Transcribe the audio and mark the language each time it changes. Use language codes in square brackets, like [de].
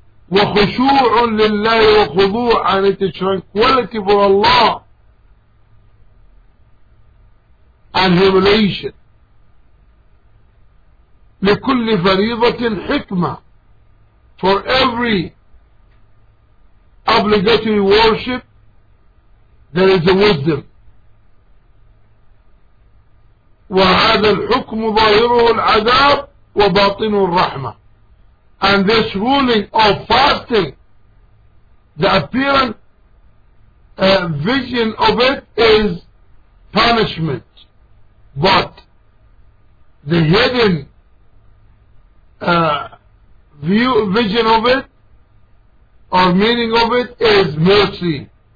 [ar] وخشوع لله وخضوع, [en] and it is tranquility for Allah and humiliation. [ar] لكل فريضة حكمة, [en] for every obligatory worship there is a wisdom. [ar] وهذا الحكم ظاهره العذاب وباطنه الرحمة. [en] And this ruling of fasting, the apparent vision of it is punishment, but the hidden vision of it or meaning of it is mercy.